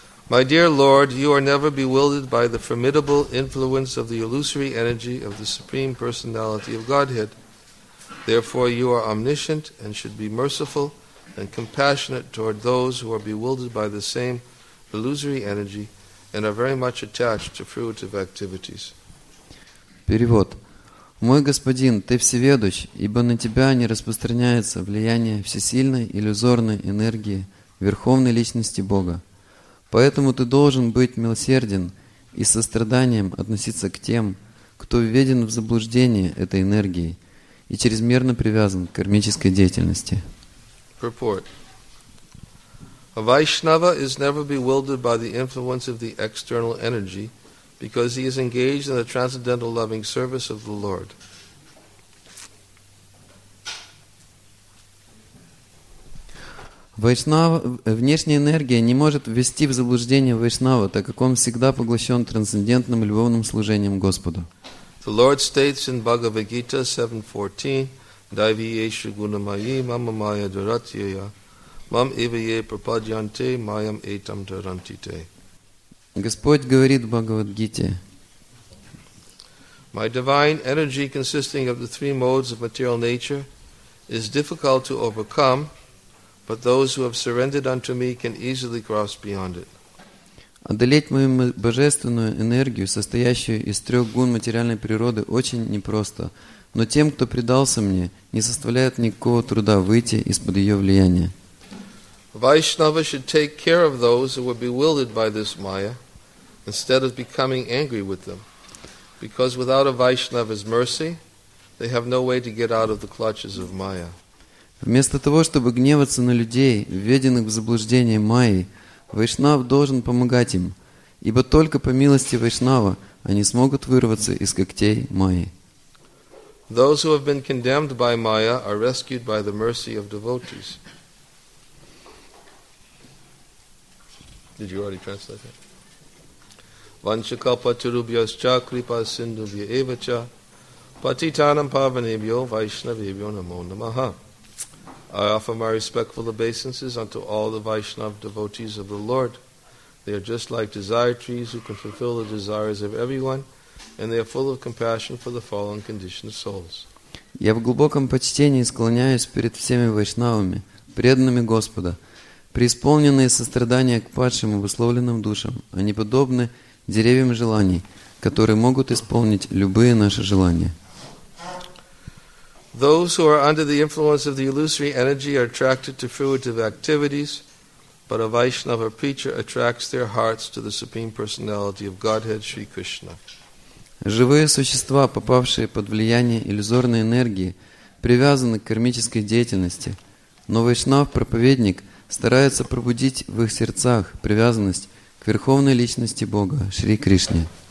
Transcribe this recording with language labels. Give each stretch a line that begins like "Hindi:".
English: My dear Lord, you are never bewildered by the formidable influence of the illusory energy of the Supreme Personality of Godhead. Therefore, you are omniscient and should be merciful and compassionate toward those who are bewildered by the same illusory energy and are very much attached to fruitive activities.
Russian: Перевод. Мой господин, ты всеведущ, ибо на тебя не распространяется влияние всесильной иллюзорной энергии Верховной Личности Бога. Поэтому ты должен быть милосерден и состраданием относиться к тем, кто введен в заблуждение этой энергией и чрезмерно привязан к кармической деятельности.
English: Purport. A Vaishnava is never bewildered by the influence of the external energy because he is engaged in the transcendental loving service of the Lord.
Russian: Вайшнава, внешняя энергия не может ввести в заблуждение Вайшнава, так как он всегда поглощен трансцендентным любовным служением Господу.
English: The Lord states in Bhagavad Gita 7.14
Sanskrit: Daivyeshu gunamayi mama maya duratyaya mam ivaye prapadyante mayam etam durantite.
Russian: Господь говорит в Бхагавад-гите.
English: My divine energy consisting of the three modes of material nature is difficult to overcome, but those who have surrendered unto me can easily cross beyond it.
Russian: Одолеть мою божественную энергию, состоящую из трех гун материальной природы, очень непросто. Но тем, кто предался мне, не составляет никакого труда выйти из-под ее влияния.
English: Vaishnava should take care of those who were bewildered by this Maya instead of becoming angry with them. Because without a Vaishnava's mercy, they have no way to get out of the clutches of Maya.
Russian: Вместо того, чтобы гневаться на людей, введенных в заблуждение Майей, Вайшнав должен помогать им, ибо только по милости Вайшнава они смогут вырваться из когтей Майи.
English: Those who have been condemned by Maya are rescued by the mercy of devotees. Did you already translate that?
Sanskrit: Vanchakalpa turubhyascha kripa sindubhya evacha patitanam pavanebhyo vaishnavebhyo namo namaha.
English: I offer my respectful obeisances unto all the Vaishnava devotees of the Lord. They are just like desire trees who can fulfill the desires of everyone, and they are full of compassion for the fallen condition of souls.
Russian: Я в глубоком почтении склоняюсь перед всеми вайшнавами, преданными Господа, преисполненные сострадания к падшим обусловленным душам. Они подобны деревьям желаний, которые могут исполнить любые наши желания.
English: Those who are under the influence of the illusory energy are attracted to fruitive activities, but a Vaishnava preacher attracts their hearts to the Supreme Personality of Godhead, Sri Krishna.
Russian: Живые существа, попавшие под влияние иллюзорной энергии, привязаны к кармической деятельности, но Вайшнав-проповедник старается пробудить в их сердцах привязанность к Верховной Личности Бога, Шри Кришне.